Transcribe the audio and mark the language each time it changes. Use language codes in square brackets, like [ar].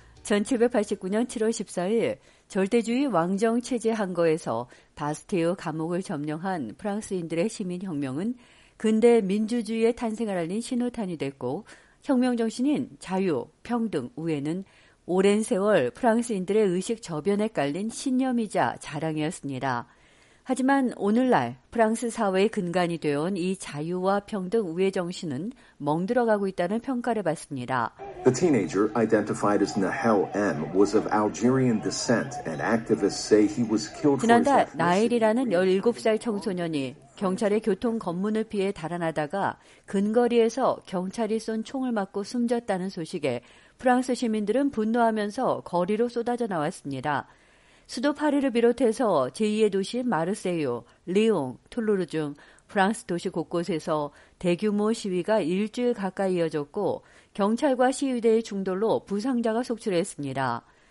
[ko] 1789년 7월 14일 절대주의 왕정 체제 항거에서 바스티유 감옥을 점령한 프랑스인들의 시민혁명은 근대 민주주의의 탄생을 알린 신호탄이 됐고 혁명정신인 자유, 평등, 우애는 오랜 세월 프랑스인들의 의식 저변에 깔린 신념이자 자랑이었습니다. 하지만 오늘날 프랑스 사회의 근간이 되어온 이 자유와 평등 우애 정신은 멍들어가고 있다는 평가를 받습니다. [en] The teenager identified as Nahel M was of Algerian descent and activists say he was killed. [ko] 지난달 나엘이라는 17살 청소년이 경찰의 교통 검문을 피해 달아나다가 근거리에서 경찰이 쏜 총을 맞고 숨졌다는 소식에 프랑스 시민들은 분노하면서 거리로 쏟아져 나왔습니다. 수도 파리를 비롯해서 제2의 도시 마르세유, 리옹, 툴루르 등 프랑스 도시 곳곳에서 대규모 시위가 일주일 가까이 이어졌고 경찰과 시위대의 충돌로 부상자가 속출했습니다.